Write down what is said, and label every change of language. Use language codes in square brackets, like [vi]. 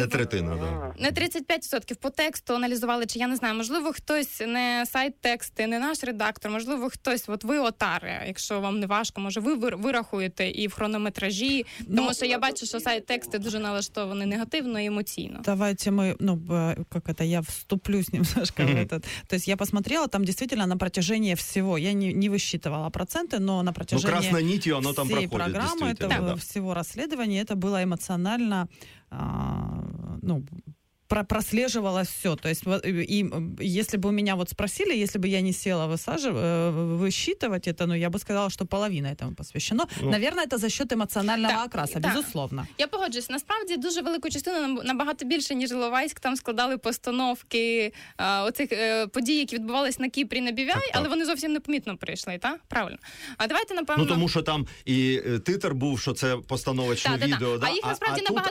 [uk] Не третина, так. Не 35% по тексту аналізували, чи я не знаю, можливо, хтось не сайт тексти, не наш редактор, можливо, хтось, от ви отари, якщо вам не важко, може, ви вирахуєте і в хронометражі, тому що я бачу, що сайт тексти дуже налаштовані негативно і емоційно. Давайте ми, ну, як це, я вступлю з ним, Сашка, [ru] в этот. То есть я посмотрела, там действительно на протяжении всего, я не высчитывала проценты, но на протяжении всей программы... Ну, красной нитью оно там проходит, программы, действительно, этого, да. Всего расследования, это было эмоционально. Ну, прослеживалось все. То есть, и если бы у меня вот спросили, если бы я не села высчитывать это, ну, я бы сказала, что половина этому посвящена. Ну, наверное, это за счет эмоционального окраса, безусловно. [uk] Я погоджусь. Насправді, дуже велику частину, набагато більше, ніж Іловайськ, там складали постановки оцих подій, які відбувались на Кіпрі, на Бівяй, але вони зовсім непомітно прийшли, так? Правильно. А давайте, напевно... Ну, тому що там і титр був, що це постановочне відео, да? А тут, набагато...